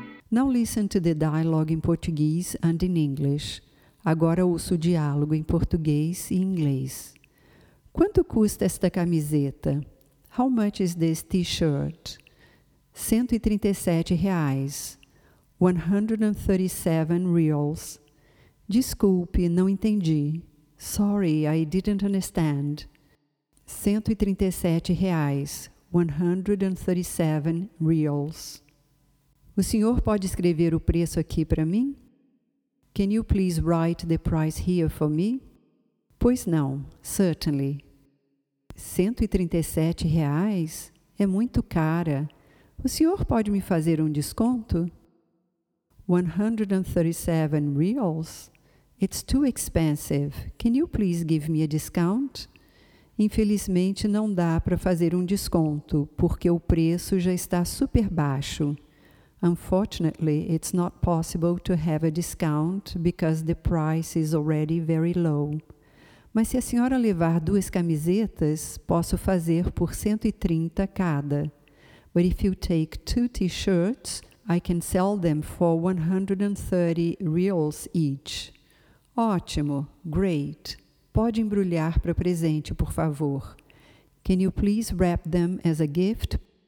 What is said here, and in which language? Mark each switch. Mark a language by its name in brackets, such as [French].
[English] Now listen to the dialogue in Portuguese and in English. [Portuguese] Agora ouço o diálogo em português e inglês. Quanto custa esta camiseta? [English] How much is this t-shirt? [Portuguese] R$137. R$137. Desculpe, não entendi. [English] Sorry, I didn't understand. [Portuguese] R$137. R$137. O senhor pode escrever o preço aqui para mim? [English] Can you please write the price here for me? [Portuguese] Pois não, [English] certainly. [Portuguese] R$137 é muito cara. O senhor pode me fazer um desconto? R$137? [English] It's too expensive. Can you please give me a discount? [Portuguese] Infelizmente, não dá para fazer um desconto, porque o preço já está super baixo. [English] Unfortunately, it's not possible to have a discount because the price is already very low. [Portuguese] Mas se a senhora levar duas camisetas, posso fazer por 130 cada. [English] But if you take two t-shirts, I can sell them for R$130 each. [Portuguese] Ótimo, [English] great. [Portuguese] Pode embrulhar para presente, por favor. [English] Can you please wrap them as a gift?